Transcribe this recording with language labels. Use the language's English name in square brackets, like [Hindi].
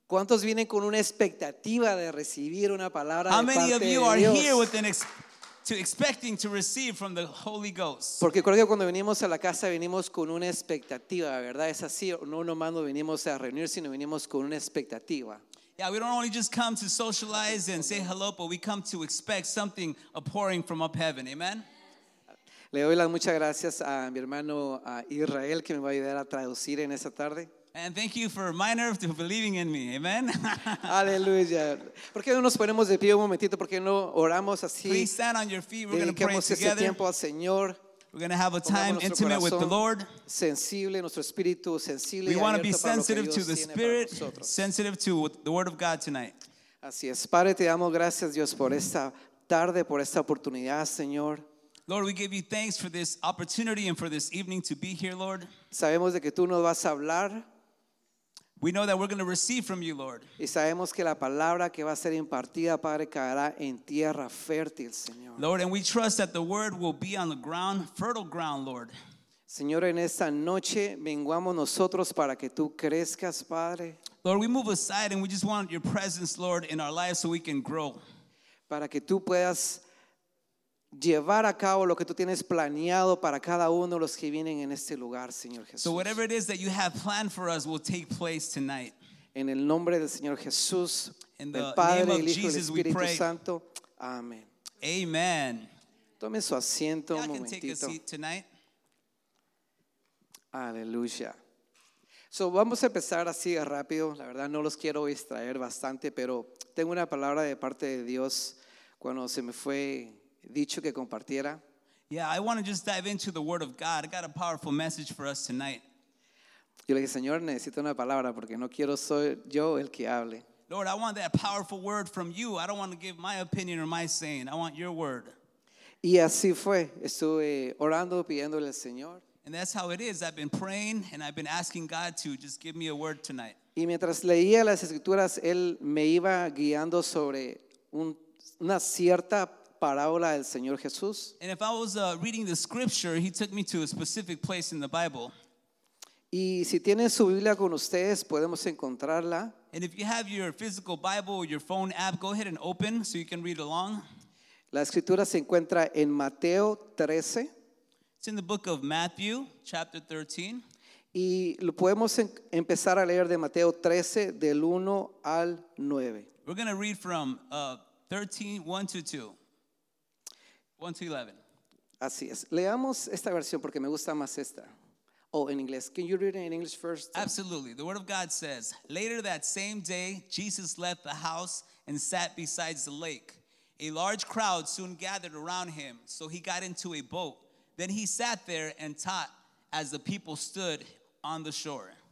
[Spanish] ¿Cuántos vienen con una expectativa de recibir una palabra de parte de Dios? [English] How many of you are here with an expecting to receive from the Holy Ghost? [Spanish] Porque creo que cuando venimos a la casa venimos con una expectativa, ¿verdad? Es así, no nomás no venimos a reunir, sino venimos con una expectativa. [English] Yeah, we don't only just come to socialize and say hello, but we come to expect something pouring from up heaven. Amen. [Spanish] Le doy las muchas gracias a mi hermano Israel que me va a ayudar a traducir en esta tarde. [English] And thank you for my nerve to believing in me. Amen. Hallelujah. [Spanish] ¿Por qué no nos ponemos de pie un momentito? ¿Por qué no oramos así? [English] Please stand on your feet. We're going to pray together. [Spanish] Dediquemos este tiempo al Señor. [English] We're going to have a time intimate with the Lord. [Spanish] Sensible, nuestro espíritu sensible. [English] We want to be sensitive to the Spirit, sensitive to the Word of God tonight. [Spanish] Así es. Padre, te damos gracias, Dios, por esta tarde, por esta oportunidad, Señor. [English] Lord, we give you thanks for this opportunity and for this evening to be here, Lord. [Spanish] Sabemos de que tú nos vas a hablar. [English] We know that we're going to receive from you, Lord. [Spanish] Y sabemos que la palabra que va a ser impartida, Padre, caerá en tierra fértil, Señor. [English] Lord, and we trust that the word will be on the ground, fertile ground, Lord. [Spanish] Señor, en esta noche menguamos nosotros para que tú crezcas, Padre. [English] Lord, we move aside and we just want your presence, Lord, in our lives so we can grow. [Spanish] Para que tú puedas llevar a cabo lo que tú tienes planeado para cada uno de los que vienen en este lugar, Señor Jesús. [English] So whatever it is that you have planned for us will take place tonight. [Spanish] En el nombre del Señor Jesús, del Padre, del Hijo y del Espíritu Santo. Amén. [English] Amen. [Spanish] Tome su asiento un momentito. Aleluya. So vamos a empezar así rápido. La verdad no los quiero distraer bastante, pero tengo una palabra de parte de Dios cuando se me fue dicho que compartiera. [English] Yeah, I want to just dive into the word of God. I got a powerful message for us tonight. [Spanish] Yo le dije, Señor, necesito una palabra porque no quiero soy yo el que hable. [English] Lord, I want that powerful word from you. I don't want to give my opinion or my saying. I want your word. [Spanish] Y así fue. Estuve orando, pidiéndole al Señor. [English] And that's how it is. I've been praying and I've been asking God to just give me a word tonight. [Spanish] Y mientras leía las escrituras, él me iba guiando sobre una cierta parábola del Señor Jesús. [English] And if I was reading the scripture, he took me to a specific place in the Bible. [Spanish] Y si tienen su Biblia con ustedes, podemos encontrarla. [English] And if you have your physical Bible or your phone app, go ahead and open so you can read along. [Spanish] La escritura se encuentra en Mateo 13. [English] It's in the book of Matthew, chapter 13. [Spanish] Y lo podemos empezar a leer de Mateo 13, del 1 al 9. [English] We're going to read from 1 to 11. [Spanish] Así es. Leamos esta versión porque me gusta más esta. [English] Oh, in English. Can you read it in English first? Absolutely. The word of God says, later that same day, Jesus left the house and sat beside the lake. A large crowd soon gathered around him, so he got into a boat. Then he sat there and taught as the people stood on the shore.